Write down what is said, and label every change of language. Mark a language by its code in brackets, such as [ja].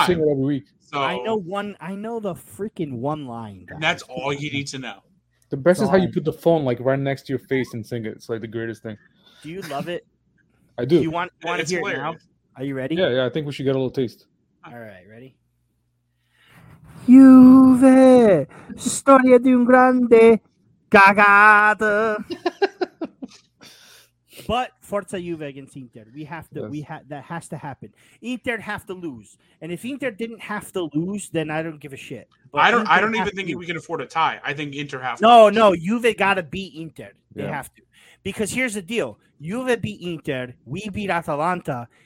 [en] You sing it every week. So I know the freaking one line. And that's all you need to know. The best is how you put the phone like right next to your face and sing it. It's like the greatest thing. Do you love it? I do. Do you want to hear it now? Are you ready? Yeah, I think we should get a little taste. All right, ready? [it] Juve, storia di un grande cagata. [en] But [it] Forza Juve [en] against Inter, we have to. Yes. That has to happen. Inter have to lose, and if Inter didn't have to lose, then I don't give a shit. But I don't. Inter I don't even think we can afford a tie. I think Inter have. No. Juve gotta beat Inter. Yeah. They have to, because here's the deal: Juve beat Inter, we beat Atalanta.